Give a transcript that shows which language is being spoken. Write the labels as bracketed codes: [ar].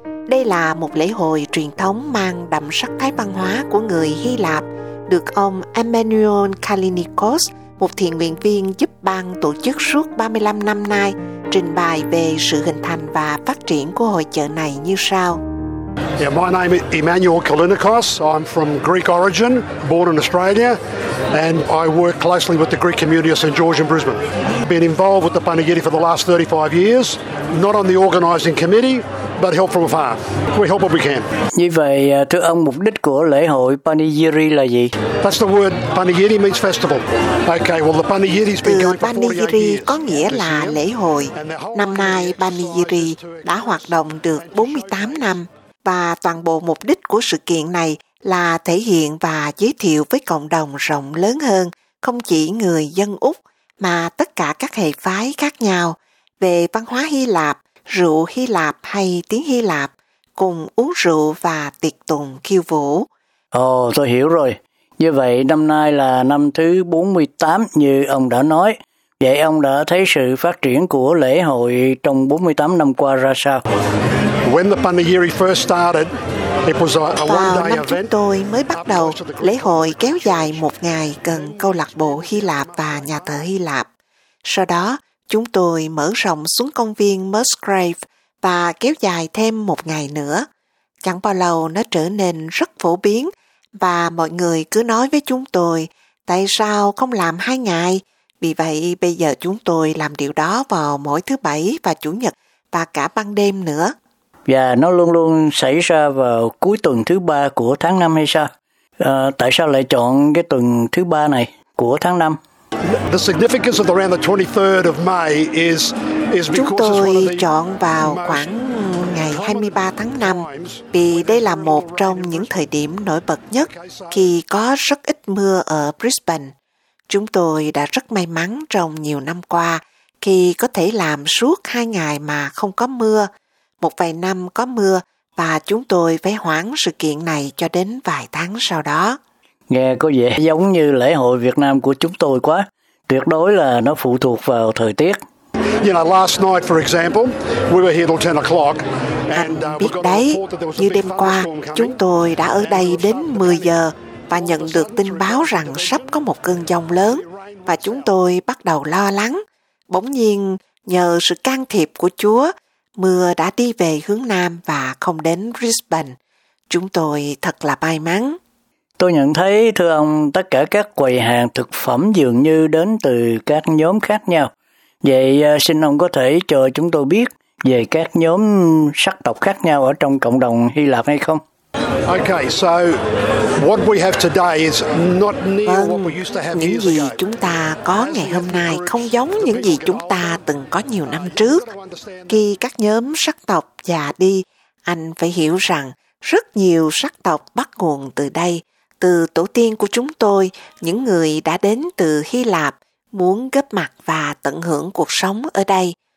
[vi] Đây là một lễ hội truyền thống mang đậm sắc thái văn hóa của người Hy Lạp, được ông Emmanuel Kalinikos, một thiện nguyện viên giúp bang tổ chức suốt 35 năm nay, trình bày về sự hình thành và phát triển của hội chợ này như sau. [en] Yeah, my name is Emmanuel Kalinikos. I'm from Greek origin, born in Australia, and I work closely with the Greek community of St. George in Brisbane. Been involved with the Panigiri for the last 35 years, not on the organizing committee, but help from afar. We help what we can. [vi] Như vậy, thưa ông, mục đích của lễ hội Panigiri là gì? [en] That's the word. Panigiri means festival. Okay, well, the Panigiri's been going for 48 years. [vi] Panigiri có nghĩa là lễ hội. Năm nay, Panigiri đã hoạt động được 48 năm. Và toàn bộ mục đích của sự kiện này là thể hiện và giới thiệu với cộng đồng rộng lớn hơn, không chỉ người dân Úc, mà tất cả các hệ phái khác nhau, về văn hóa Hy Lạp, rượu Hy Lạp hay tiếng Hy Lạp, cùng uống rượu và tiệc tùng khiêu vũ. Ồ, tôi hiểu rồi. Như vậy, năm nay là năm thứ 48 như ông đã nói. Vậy ông đã thấy sự phát triển của lễ hội trong 48 năm qua ra sao? [en] When the Panigiri first started, it was a one-day event. [vi] Năm chúng tôi mới bắt đầu, lễ hội kéo dài một ngày gần câu lạc bộ Hy Lạp và nhà thờ Hy Lạp. Sau đó, chúng tôi mở rộng xuống công viên Musgrave và kéo dài thêm một ngày nữa. Chẳng bao lâu nó trở nên rất phổ biến và mọi người cứ nói với chúng tôi, tại sao không làm hai ngày? Vì vậy, bây giờ chúng tôi làm điều đó vào mỗi thứ Bảy và Chủ nhật và cả ban đêm nữa. Và nó luôn luôn xảy ra vào cuối tuần thứ ba của tháng năm hay sao? Tại sao lại chọn cái tuần thứ ba này của tháng năm? [en] The significance of around the 23rd of May is [vi] chúng tôi chọn vào khoảng ngày 23 tháng 5 vì đây là một trong những thời điểm nổi bật nhất khi có rất ít mưa ở Brisbane. Chúng tôi đã rất may mắn trong nhiều năm qua khi có thể làm suốt hai ngày mà không có mưa. Một vài năm có mưa và chúng tôi phải hoãn sự kiện này cho đến vài tháng sau đó. Nghe có vẻ giống như lễ hội Việt Nam của chúng tôi quá. Tuyệt đối là nó phụ thuộc vào thời tiết. [en] You know, last night, for example, we were here till 10 o'clock. [vi] Anh biết đấy, như đêm qua, chúng tôi đã ở đây đến 10 giờ và nhận được tin báo rằng sắp có một cơn giông lớn và chúng tôi bắt đầu lo lắng. Bỗng nhiên, nhờ sự can thiệp của Chúa, mưa đã đi về hướng Nam và không đến Brisbane. Chúng tôi thật là may mắn. Tôi nhận thấy, thưa ông, tất cả các quầy hàng thực phẩm dường như đến từ các nhóm khác nhau. Vậy xin ông có thể cho chúng tôi biết về các nhóm sắc tộc khác nhau ở trong cộng đồng Hy Lạp hay không? [en] Okay, so what we have today is not near what we used to have. [vi] Những gì chúng ta có ngày hôm nay không giống những gì chúng ta từng có nhiều năm trước. Khi các nhóm sắc tộc già đi, anh phải hiểu rằng rất nhiều sắc tộc bắt nguồn từ đây, từ tổ tiên của chúng tôi, những người đã đến từ Hy Lạp muốn góp mặt và tận hưởng cuộc sống ở đây.